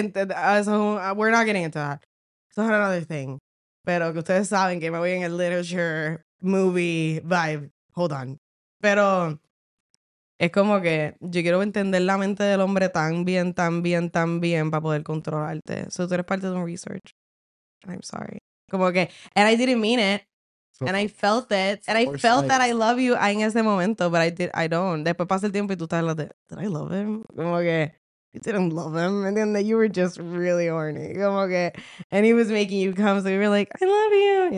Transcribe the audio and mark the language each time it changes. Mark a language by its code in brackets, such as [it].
[en] We're not getting into that. So that's another thing. [es] Pero que ustedes saben que me voy en el literature, movie, vibe. [en] Hold on. [es] Pero es como que yo quiero entender la mente del hombre tan bien, tan bien, tan bien para poder controlarte. So tú eres parte de un research. [en] I'm sorry. Como que, and I didn't mean it, so, and I felt it, and I felt that I love you [es] en ese momento, [en] but I don't. [es] Después pasa el tiempo y tú estás like, [en] did I love him? [es] Como que, [en] you didn't love him, and then you were just really horny. [es] Como que, [en] and he was making you come, so you were like, I love you.